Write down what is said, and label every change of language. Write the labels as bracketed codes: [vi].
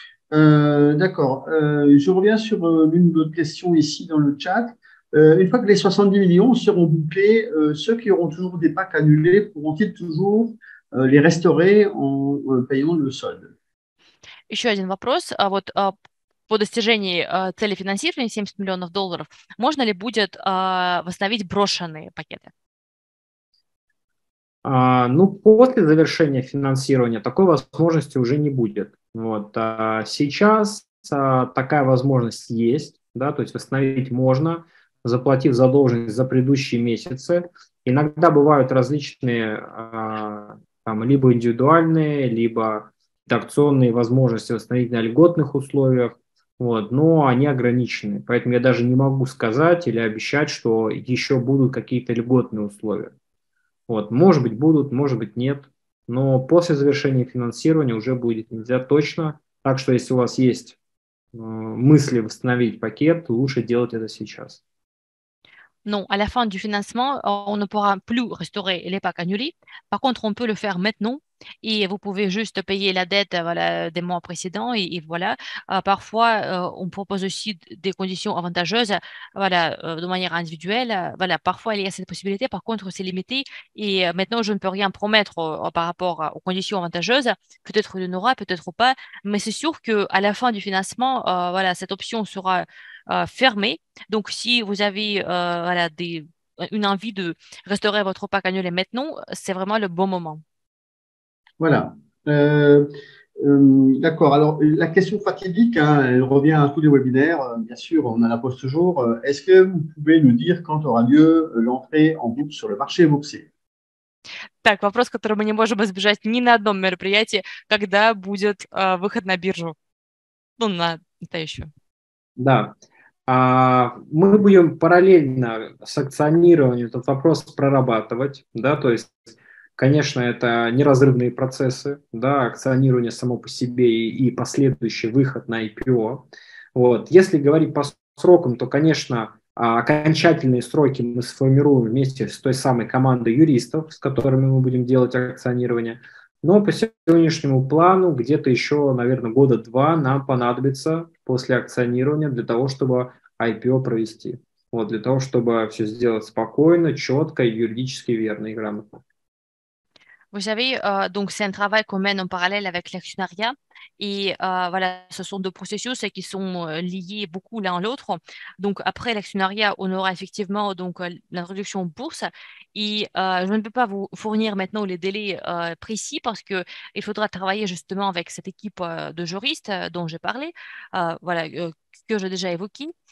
[fr] D'accord. Je reviens sur l'une de vos questions ici dans le chat. Une fois que les 70 millions seront bouclés, ceux qui auront toujours des packs annulés pourront-ils toujours les restaurer en payant le solde? [ru] Еще один вопрос. Вот по достижении цели финансирования $70 миллионов, можно ли будет восстановить брошенные пакеты? Ну, после завершения финансирования такой возможности уже не будет. Вот сейчас такая возможность есть, да, то есть восстановить можно, заплатив задолженность за предыдущие месяцы. Иногда бывают различные там либо индивидуальные, либо акционные возможности восстановить на льготных условиях, вот, но они ограничены. Поэтому я даже не могу сказать или обещать, что еще будут какие-то льготные условия. Вот, может быть, будут, может быть, нет. Но после завершения финансирования уже будет нельзя точно. Так что если у вас есть мысли восстановить пакет, лучше делать это сейчас. [fr] Non, à la fin du financement, on ne pourra plus restaurer les packs annulés. Par contre, on peut le faire maintenant et vous pouvez juste payer la dette voilà, des mois précédents et voilà. Parfois, on propose aussi des conditions avantageuses voilà, de manière individuelle. Voilà, parfois, il y a cette possibilité. Par contre, c'est limité et maintenant, je ne peux rien promettre par rapport aux conditions avantageuses. Peut-être qu'il y en aura, peut-être pas. Mais c'est sûr qu'à la fin du financement, voilà, cette option sera fermé. Donc, si vous avez voilà, une envie de restaurer votre pack annulé maintenant, c'est vraiment le bon moment. Voilà. D'accord. Alors, la question fatidique, hein, elle revient à tous les webinaires, bien sûr, on la pose toujours. Est-ce que vous pouvez nous dire quand aura lieu l'entrée en bourse sur le marché boursier? [ru] Так, вопрос, который мы не можем избежать ни на одном мероприятии, когда будет выход на биржу? Ну, на это еще. Да. Мы будем параллельно с акционированием этот вопрос прорабатывать, да, то есть, конечно, это неразрывные процессы, да, акционирование само по себе и последующий выход на IPO. Вот, если говорить по срокам, то, конечно, окончательные сроки мы сформируем вместе с той самой командой юристов, с которыми мы будем делать акционирование, но по сегодняшнему плану где-то еще, наверное, года два нам понадобится после акционирования для того, чтобы IPO провести. Вот, для того, чтобы все сделать спокойно, четко, юридически верно и грамотно. [fr] Vous savez, donc c'est un travail qu'on mène en parallèle avec l'actionnariat. Et voilà, ce sont deux processus qui sont liés beaucoup l'un à l'autre. Donc après l'actionnariat, on aura effectivement donc, l'introduction en bourse. Et je ne peux pas vous fournir maintenant les délais précis parce qu'il faudra travailler justement avec cette équipe de juristes dont j'ai parlé, voilà, que j'ai déjà évoqué.